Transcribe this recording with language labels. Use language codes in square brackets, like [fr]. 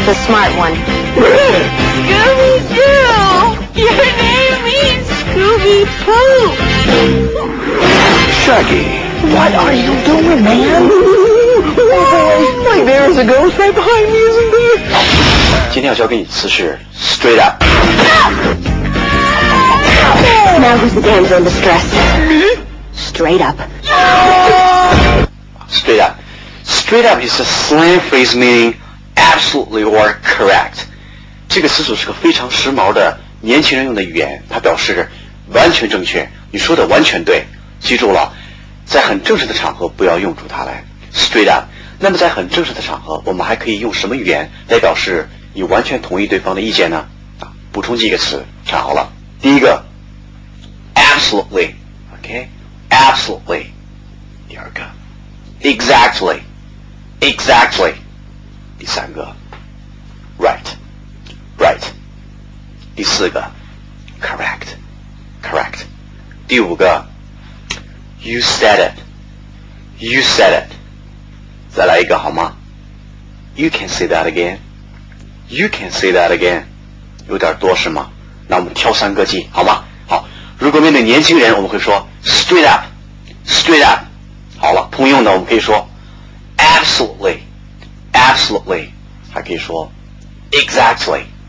[en] The smart one. Scooby-Doo! Your name means Scooby-Poo! Shaggy. What are you doing, man? Like there's a ghost right behind me, isn't there? [zh] 今天要交给你辞职 [en] Straight up. Now who's the damsel in distress? Me? Straight up. Straight up. Straight up is a slang phrase meaning absolutely or correct. [zh] 这个词组是个非常时髦的年轻人用的语言，它表示完全正确，你说的完全对。记住了，在很正式的场合不要用出它来。 [en] Straight up. [zh] 那么在很正式的场合，我们还可以用什么语言来表示你完全同意对方的意见呢？补充几个词，看好了。第一个 [en] ，absolutely. Okay. Absolutely. [zh] 第二个 [en] Exactly. Exactly. [zh] 第三个 [en] Right. Right. [zh] 第四个 [en] Correct. Correct. [zh] 第五个 [en] You said it. You said it. [zh] 再来一个好吗 [en] You can say that again. You can say that again. [zh] 有点多是吗那我们挑三个记好吗好如果面对年轻人我们会说 [en] Straight up. Straight up. [zh] 好了通用的我们可以说 [en] Absolutely. Absolutely. [zh] 还可以说 [en] Exactly.